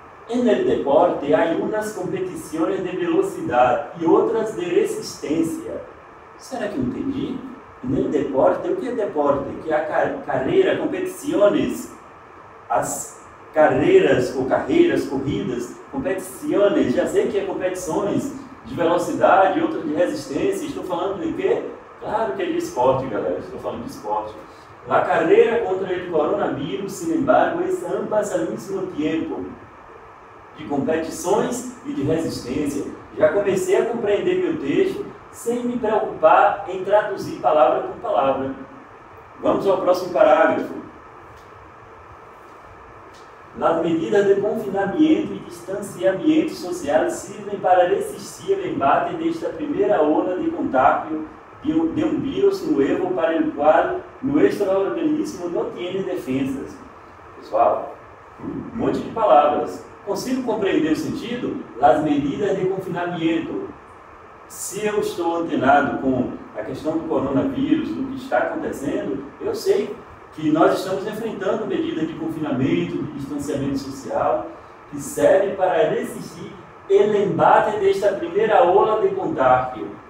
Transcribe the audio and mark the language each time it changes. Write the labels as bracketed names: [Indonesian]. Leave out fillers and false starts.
[Spanish] En el deporte hay unas competiciones de velocidad y otras de resistencia. [Portuguese] Será que eu entendi? No deporte, o que é deporte? Que a carreira, competições, as carreiras ou carreiras, corridas, competições, já sei que é competições de velocidade, outras de resistência, estou falando de quê? Claro que é de esporte, galera, estou falando de esporte. La carreira contra o coronavírus, [Spanish] sin embargo, es ambas al mismo tiempo, [Portuguese] de competições e de resistência. Já comecei a compreender meu texto sem me preocupar em traduzir palavra por palavra. Vamos ao próximo parágrafo. [Spanish] Las medidas de confinamiento y distanciamiento social sirven para resistir el embate de esta primera ola de contagio de un virus nuevo para el cual nuestro organismo no tiene defensas. [Portuguese] Pessoal, um monte de palavras. Consigo compreender o sentido? [Spanish] Las medidas de confinamiento. [Portuguese] Se eu estou antenado com a questão do coronavírus, do que está acontecendo, eu sei que nós estamos enfrentando medidas de confinamento, de distanciamento social, que serve para resistir o embate desta primeira ola de contágio.